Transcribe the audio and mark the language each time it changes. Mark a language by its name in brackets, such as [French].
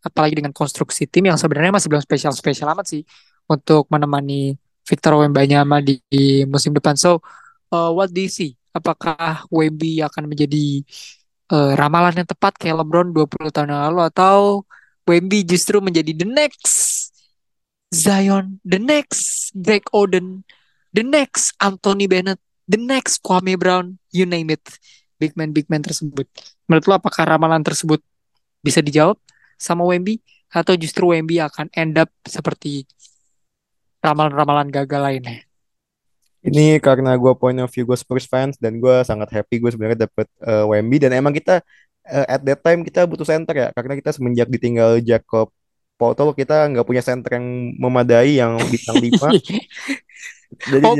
[Indonesian] Apalagi dengan konstruksi tim yang sebenarnya masih belum spesial-spesial amat sih. Untuk menemani Victor Wembanyama di musim depan. [English] So, what do you see? [Indonesian] Apakah Wemby akan menjadi ramalan yang tepat kayak LeBron 20 tahun yang lalu? Atau Wemby justru menjadi [English] the next Zion, the next Greg Oden, the next Anthony Bennett, the next Kwame Brown, you name it. [Indonesian] Big man tersebut. Menurut lo apakah ramalan tersebut bisa dijawab sama Wemby? Atau justru Wemby akan [English] end up [Indonesian] seperti ramalan-ramalan gagal lainnya? Ini karena gue [English] point of view [Indonesian] gue Spurs fans dan gue sangat happy gue sebenarnya dapet Wemby dan emang kita [English] at that time [Indonesian] kita butuh center ya karena kita semenjak ditinggal Jakob Poeltl kita nggak punya center yang memadai yang bintang 5. Jadi